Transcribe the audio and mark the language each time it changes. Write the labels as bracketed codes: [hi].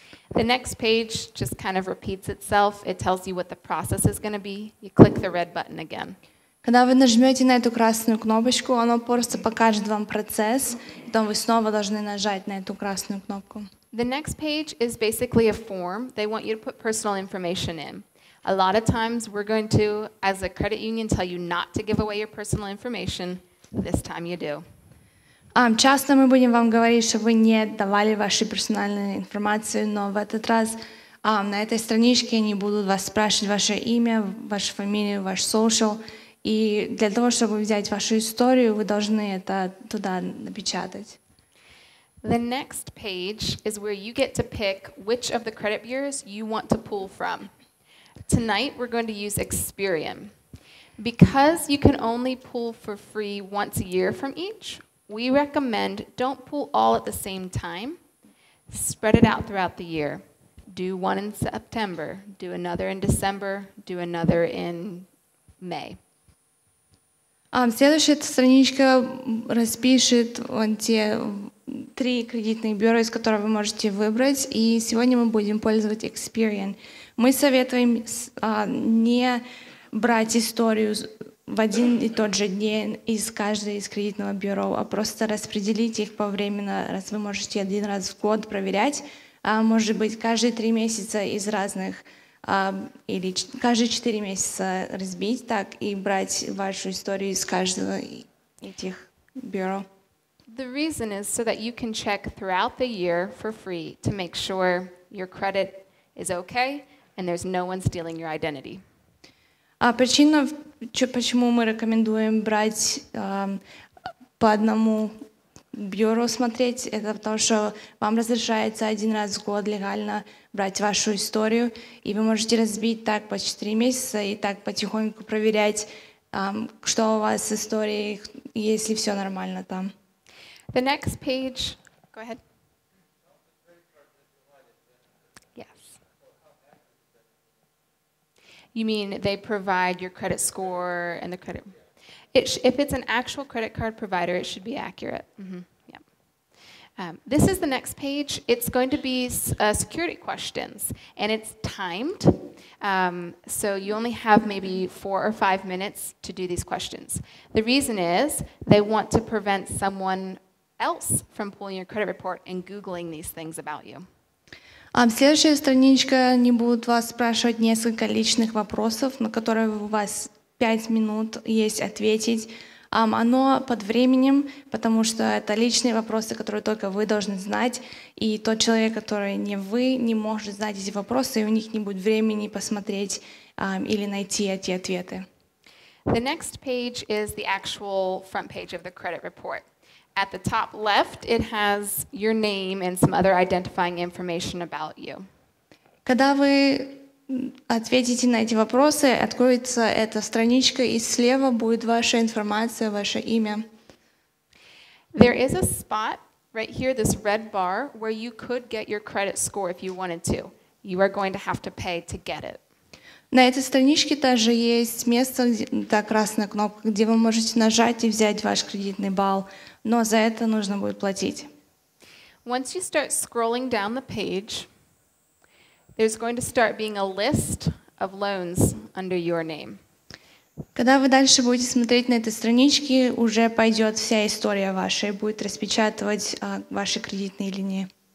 [en] The next page just kind of repeats itself. It tells you what the process is going to be. You click the red button again. [ru] Когда вы нажмете на эту красную кнопочку, оно просто покажет вам процесс, и потом вы снова должны нажать на эту красную кнопку. [en] The next page is basically a form. They want you to put personal information in. A lot of times we're going to, as a credit union, tell you not to give away your personal information. This time you do. [ru] Часто мы будем вам говорить, что вы не давали вашу персональную информацию, но в этот раз на этой страничке они будут вас спрашивать ваше имя, вашу фамилию, ваш social. И для того, чтобы взять вашу историю, вы должны это туда напечатать. [en] The next page is where you get to pick which of the credit bureaus you want to pull from. Tonight we're going to use Experian. Because you can only pull for free once a year from each, we recommend don't pull all at the same time. Spread it out throughout the year. Do one in September, do another in December, do another in May. [ru] Следующая страничка распишет вон те три кредитных бюро, из которых вы можете выбрать. И сегодня мы будем пользоваться Experian. Мы советуем не брать историю в один и тот же день из каждого из кредитного бюро, а просто распределить их повременно, раз вы можете один раз в год проверять, а может быть, каждые три месяца из разных, или каждые четыре месяца разбить так и брать вашу историю из каждого этих бюро. [en] The reason is so that you can check throughout the year for free to make sure your credit is okay and there's no one stealing your identity. [ru] А причина, почему мы рекомендуем брать по одному бюро смотреть, это потому что вам разрешается один раз в год легально брать вашу историю, и вы можете разбить так по 4 месяца и так потихоньку проверять, что у вас с историей, если все нормально там. [en] The next page. Go ahead. You mean they provide your credit score and the credit? If it's an actual credit card provider, it should be accurate. Mm-hmm. Yeah. This is the next page. It's going to be security questions, and it's timed. So you only have maybe 4 or 5 minutes to do these questions. The reason is they want to prevent someone else from pulling your credit report and Googling these things about you. [ru] Следующая страничка, они будут вас спрашивать несколько личных вопросов, на которые у вас 5 минут есть ответить. Оно под временем, потому что это личные вопросы, которые только вы должны знать, и тот человек, который не вы, не может знать эти вопросы, и у них не будет времени посмотреть или найти эти ответы. [en] The next page is the actual front page of the credit report. At the top left, it has your name and some other identifying information about you. [ru] Когда вы ответите на эти вопросы, откроется эта страничка, и слева будет ваша информация, ваше имя. [en] There is a spot right here, this red bar, where you could get your credit score if you wanted to. You are going to have to pay to get it. [ru] На этой страничке также есть место, та красная кнопка, где вы можете нажать и взять ваш кредитный балл, но за это нужно будет платить. [en] Once you start scrolling down the page, there's going to start being a list of loans under your name. [ru] Когда вы дальше будете смотреть на этой страничке, уже пойдет вся история ваша и будет распечатывать ваши кредитные линии.